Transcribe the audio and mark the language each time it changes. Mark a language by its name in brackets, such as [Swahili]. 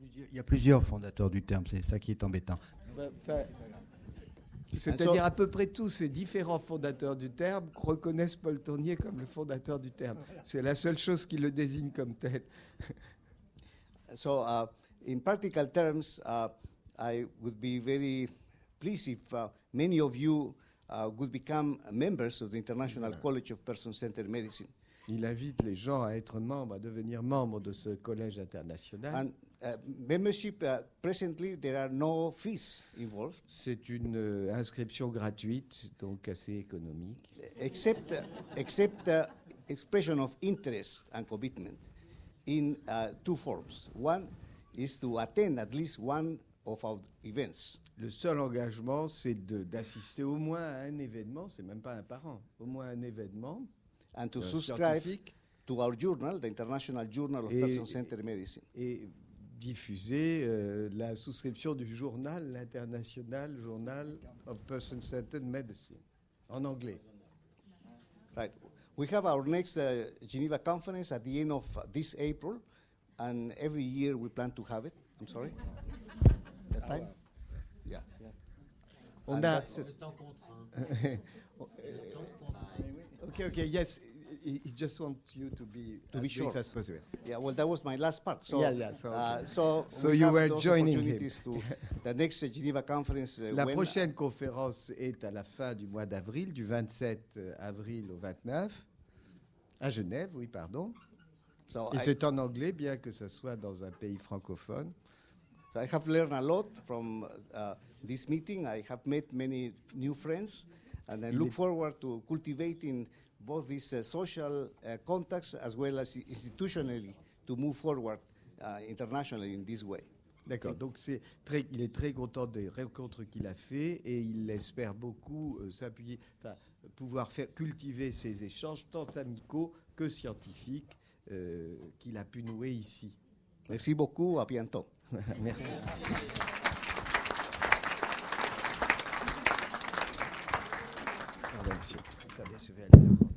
[French] Il y a plusieurs fondateurs du terme, c'est ça qui est embêtant. C'est-à-dire à peu près tous ces différents fondateurs du terme reconnaissent Paul Tournier comme le fondateur du terme. C'est la seule chose qui le désigne comme tel. [English] So in practical terms. I would be very pleased if many of you would become members of the International College of Person-Centered Medicine. [French] Il invite les gens à être membres, à devenir membres de ce collège international. [English] And membership, presently, there are no fees involved. [French] C'est une inscription gratuite, donc assez économique. [English] Except expression of interest and commitment in two forms. One is to attend at least one of our events. [French] Le seul engagement, c'est d'assister au moins à un événement, c'est même pas un par an, au moins un événement. [English] And to subscribe to our journal, the International Journal of Person-Centered Medicine. [French] Et diffuser la souscription du journal, l'International Journal of Person-Centered Medicine, en anglais. [English] Right. We have our next Geneva conference at the end of this April, and every year we plan to have it. I'm sorry. Okay. Yes, I just want you to be sure as possible. Yeah. Well, that was my last part. So So you were joining him. The next Geneva conference. [French] La prochaine conférence est à la fin du mois d'avril, du 27 avril au 29, à Genève. Oui, pardon. So et c'est en anglais, bien que ça soit dans un pays francophone. [English] I have learned a lot from this meeting. I have met many new friends, and I look forward to cultivating both these social contacts as well as institutionally to move forward internationally in this way. [French] D'accord. Okay. Donc il est très content des rencontres qu'il a fait, et il espère beaucoup s'appuyer, pouvoir faire cultiver ces échanges tant amicaux que scientifiques qu'il a pu nouer ici. Merci beaucoup. À bientôt. Merci. Pardon, monsieur. Attendez, je vais aller.